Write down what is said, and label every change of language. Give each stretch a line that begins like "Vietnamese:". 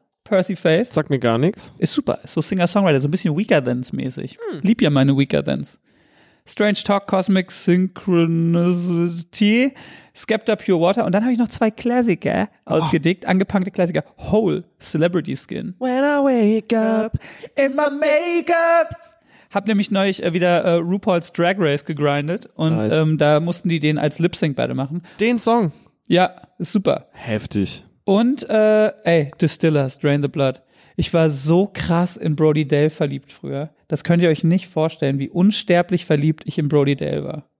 German: Percy Faith. Sagt mir gar nichts. Ist super. So Singer-Songwriter, so ein bisschen Weaker Thans-mäßig. Hm. Lieb ja meine Weaker Thans. Strange Talk, Cosmic Synchronicity, Skepta Pure Water und dann habe ich noch zwei Klassiker ausgedickt, angepunkte Klassiker, Hole, Celebrity Skin.
English: When I wake up in my makeup.
German: Hab nämlich neulich wieder RuPaul's Drag Race gegrindet und nice. Da mussten die den als Lip-Sync beide machen. Den Song? Ja, ist super. Heftig. Und Distillers, Drain the Blood. Ich war so krass in Brody Dale verliebt früher. Das könnt ihr euch nicht vorstellen, wie unsterblich verliebt ich in Brody Dale war.